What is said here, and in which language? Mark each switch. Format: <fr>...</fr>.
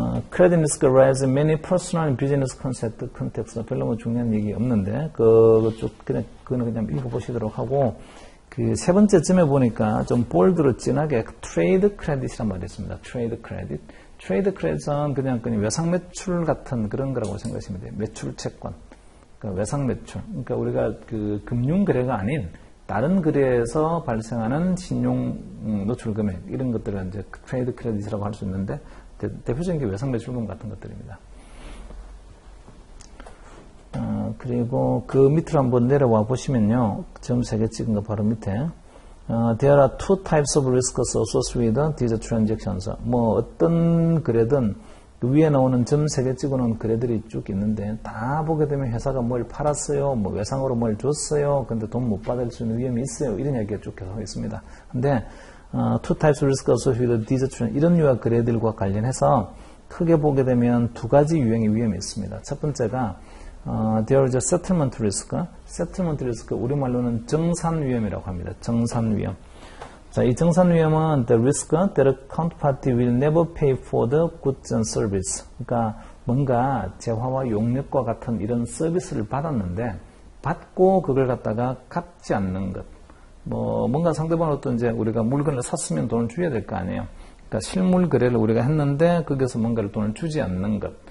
<en>Credit risk arises many personal business concept context.</en> <ko>별로 뭐 중요한 얘기 없는데. 그거는 그냥 읽어보시도록 하고. 그 세 번째 쯤에 보니까 좀 볼드로 진하게 트레이드 크레딧이란 말이 있습니다. 트레이드 크레딧. 트레이드 크레딧은 그냥 외상 매출 같은 그런 거라고 생각하시면 돼요. 매출 채권. 그러니까 외상 매출. 그러니까 우리가 그 금융 거래가 아닌 다른 거래에서 발생하는 신용 노출 금액 이런 것들을 이제 트레이드 크레딧이라고 할 수 있는데 대표적인 게 외상 매출금 같은 것들입니다. 그리고 그 밑으로 한번 내려와 보시면요. 점 세 개 찍은 거 바로 밑에.</ko> <en>There are two types of risks associated with these transactions.</en> <ko>뭐 어떤 거래든 그 위에 나오는 점 세 개 찍어놓은 거래들이 쭉 있는데 다 보게 되면 회사가 뭘 팔았어요, 뭐 외상으로 뭘 줬어요, 근데 돈 못 받을 수 있는 위험이 있어요. 이런 이야기가 쭉 계속 있습니다. 근데</ko> <en>two types of risks associated with these transactions</en> <ko>이런 유형 거래들과 관련해서 크게 보게 되면 두 가지 유형의 위험이 있습니다. 첫 번째가</ko> <en>there is a settlement risk.</en> <ko>settlement risk, 우리말로는 정산 위험이라고 합니다. 정산 위험. 자, 이 정산 위험은</ko> <en>the risk that a counterparty will never pay for the goods and service.</en> <ko>그러니까 뭔가 재화와 용역과 같은 이런 서비스를 받았는데, 받고 그걸 갖다가 갚지 않는 것. 뭐, 뭔가 상대방으로부터 이제 우리가 물건을 샀으면 돈을 줘야 될 거 아니에요. 그러니까 실물 거래를 우리가 했는데, 거기서 뭔가를 돈을 주지 않는 것.</ko>